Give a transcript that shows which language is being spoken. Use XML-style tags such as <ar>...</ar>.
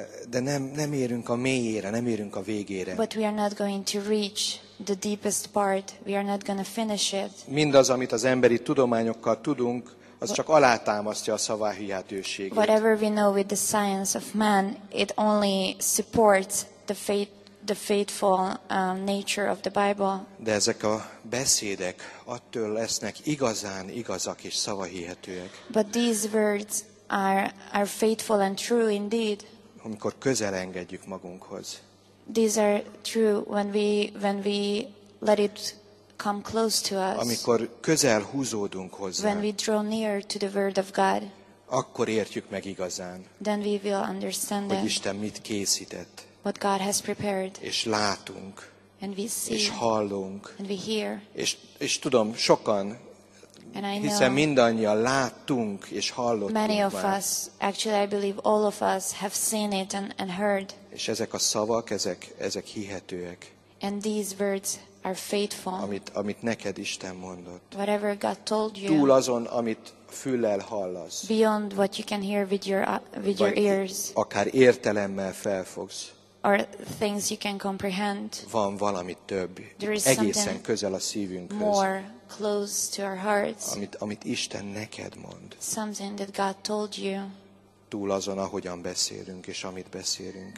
<hu>De nem érünk a mélyére, nem érünk a végére.</hu> <en>But we are not going to reach the deepest part. We are not going to finish it.</en> <hu>Mindaz, amit az emberi tudományokkal tudunk, az csak alátámasztja a szavá hihetőségét.</hu> <en>Whatever we know with the science of man, it only supports the faithful nature of the Bible.</en> <hu>De ezek a beszédek attól lesznek igazán igazak és szavá hihetőek.</hu> <en>But these words are faithful and true indeed.</en> <hu>Amikor közel engedjük magunkhoz.</hu> <en>These are true when we let it come close to us.</en> <hu>Amikor közel húzódunk hozzá.</hu> <en>When we draw near to the word of God.</en> <hu>Akkor értjük meg igazán.</hu> <en>Then we will understand</en> <hu>hogy Isten mit készített.</hu> <en>What God has prepared.</en> <hu>És látunk.</hu> <en>And we see.</en> <hu>És hallunk.</hu> <en>And we hear.</en> <hu>És tudom, sokan hiszen mindannyian láttunk és hallottunk.</hu> <en>Many of us, actually I believe all of us have seen it and heard.</en> <hu>És ezek a szavak, ezek hihetőek.</hu> <en>And these words are faithful.</en> <hu>Amit neked Isten mondott.</hu> <en>Whatever God told you.</en> <hu>Túl azon, amit füllel hallasz.</hu> <en>Beyond what you can hear with your ears.</en> <hu>Akár értelemmel felfogsz.</hu> <en>Or things you can comprehend.</en> <hu>Van valami több.</hu> <en>There is</en> <hu>egészen közel a szívünkhöz.</hu> <en>More close to our hearts.</en> <hu>Amit Isten neked mond.</hu> <en>Something that God told you.</en> <hu>Túl azon, ahogyan beszélünk és amit beszélünk.</hu>